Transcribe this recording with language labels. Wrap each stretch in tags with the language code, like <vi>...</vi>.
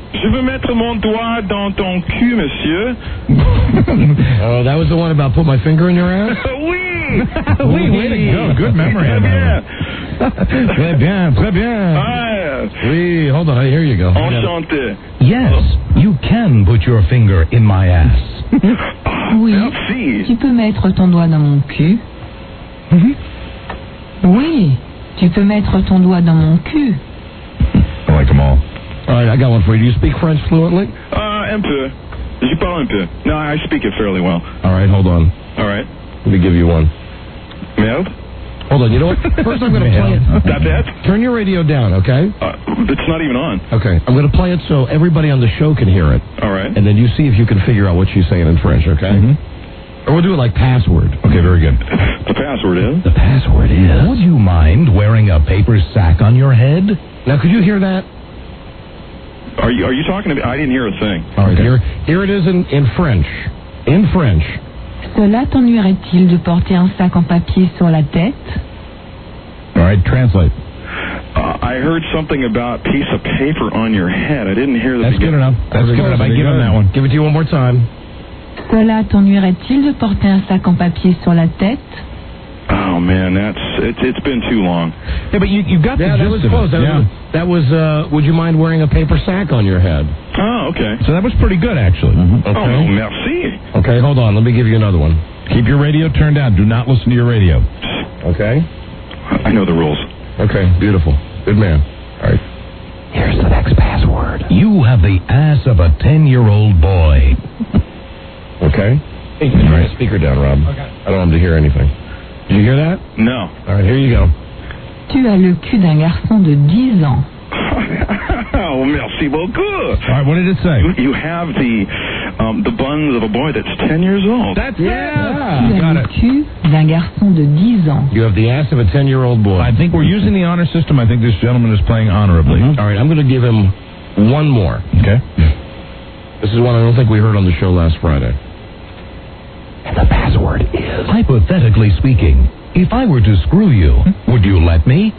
<fr>Je veux mettre mon doigt dans ton cul, monsieur.</fr> <en>Oh, that was the one about put my finger in your ass?</en> <fr>Oui! Oui, oui.</fr> <en>Way to go. Good memory.</en> <fr>Très bien. Très bien, très bien. Oui,</fr> <en>hold on. Here you go.</en> <fr>Enchanté.</fr> <en>Yes, you can put your finger in my ass.</en> <fr>Oui. Merci. Tu peux mettre ton doigt dans mon cul. Mm-hmm. Oui, tu peux mettre ton doigt dans mon cul.</fr> <en>I like them all. All right, I got one for you. Do you speak French fluently?</en> <fr>Un peu. Je parle un peu.</fr> <en>No, I speak it fairly well. All right, hold on. All right. Let me give you one.</en> <fr>Merde?</fr> <en>Hold on, you know what? First I'm going to play it. That bad? Turn your radio down, okay? It's not even on. Okay, I'm going to play it so everybody on the show can hear it. All right. And then you see if you can figure out what she's saying in French, okay? Mm-hmm. Or we'll do it like password. Okay, very good. The password is? The password is? Would you mind wearing a paper sack on your head? Now, could you hear that? Are you talking to me? I didn't hear a thing. All right, okay. Here it is in French. In French.</en> <fr>Cela t'ennuierait-il de porter un sac en papier sur la tête?</fr> <en>All right, translate. I heard something about a piece of paper on your head. I didn't hear the That's beginning. Good enough. That's good enough. I give him that one. Give it to you one more time.</en> <fr>Cela t'ennuierait-il de porter un sac en papier sur la tête?</fr> <en>Oh, man, it's been too long. Yeah, but you got the gist of it. That was, would you mind wearing a paper sack on your head? Oh, okay. So that was pretty good, actually. Mm-hmm. Okay. Oh, merci. Okay, hold on. Let me give you another one. Keep your radio turned down. Do not listen to your radio. Okay? I know the rules. Okay, beautiful. Good man. All right. Here's the next password. You have the ass of a 10-year-old boy. Okay. Hey, turn the speaker down, Rob. Okay. I don't want him to hear anything. Did you hear that? No. All right, here you go.</en> <fr>Tu as le cul d'un garçon de 10 ans. Oh, merci beaucoup.</fr> <en>All right, what did it say? You have the buns of a boy that's 10 years old. That's it. Yeah.</en> <fr>Tu as le cul d'un garçon de 10 ans.</fr> <en>You have the ass of a 10-year-old boy. I think we're using the honor system. I think this gentleman is playing honorably. Mm-hmm. All right, I'm going to give him one more. Okay. This is one I don't think we heard on the show last Friday. And the password is... Hypothetically speaking, if I were to screw you, would you let me?</en>